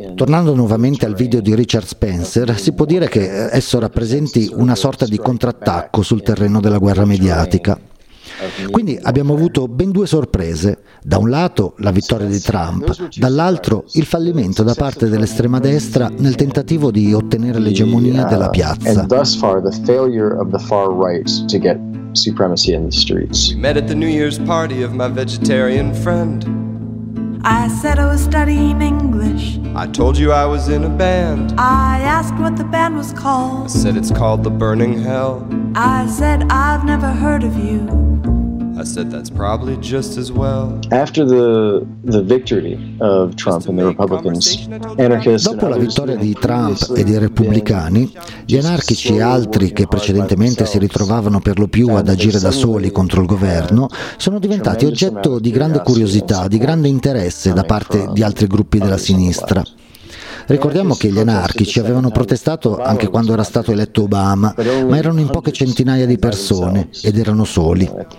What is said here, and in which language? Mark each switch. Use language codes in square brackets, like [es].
[it] Tornando nuovamente al video di Richard Spencer, si può dire che esso rappresenti una sorta di contrattacco sul terreno della guerra mediatica. Quindi abbiamo avuto ben 2 sorprese, da un lato la vittoria di Trump, dall'altro il fallimento da parte dell'estrema destra nel tentativo di ottenere l'egemonia della piazza. [en] And thus far the failure of the far right to get supremacy in the streets. We met at the New Year's party of my vegetarian friend. I said I was studying English. I told you I was in a band. I asked what the band was called. I said it's called The Burning Hell. I said I've never heard of you. I said that's probably just as well. After the victory of Trump and the Republicans, anarchists. [it] Dopo la vittoria di Trump e dei repubblicani, gli anarchici e altri che precedentemente si ritrovavano per lo più ad agire da soli contro il governo sono diventati oggetto di grande curiosità, di grande interesse da parte di altri gruppi della sinistra. Ricordiamo che gli anarchici avevano protestato anche quando era stato eletto Obama, ma erano in poche centinaia di persone ed erano soli.